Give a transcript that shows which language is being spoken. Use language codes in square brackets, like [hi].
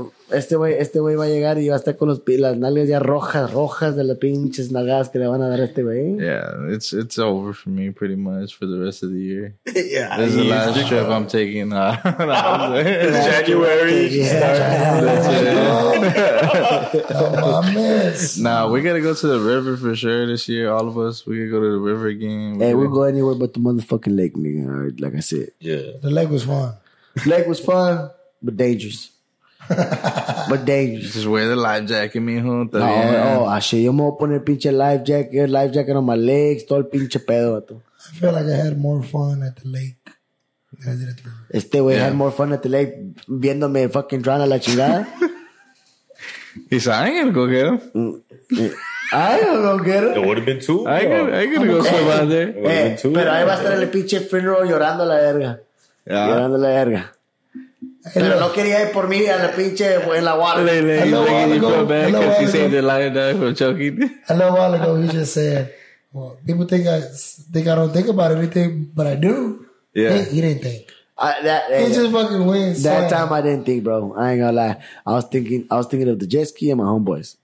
[es] Este güey va a llegar y va a estar con las nalgas ya rojas de las pinches nalgas que le van a dar a este güey. [en] Yeah, it's over for me pretty much for the rest of the year. This is the last trip I'm taking. January. Nah, we gotta go to the river for sure this year. All of us, we gotta go to the river again. We'll go anywhere but the motherfucking lake, nigga. Like I said, yeah, the lake was fun. But dangerous. You just wear the life jacket, mijo. [es] Yo me voy a poner pinche [en] life jacket on my legs, [es] todo el pinche pedo, bato. [en] I feel like I had more fun at the lake than I did at the river. [es] Este güey [en] had more fun at the lake [es] viéndome [en] fucking drown [es] a la chingada. [en] He said, I ain't gonna go get him. It would have been two. I ain't gonna go swim out there. [es] Pero ahí va a estar el pinche funeral llorando la verga. Yeah. Llorando la verga. Pero no quería ir por mí a la pinche en la water. [en] A little while ago, he just said, well, people think I don't think about anything, but I do. Yeah. He didn't think. He just fucking wins. That time I didn't think, bro. I ain't gonna lie. I was thinking of the jet ski and my homeboys.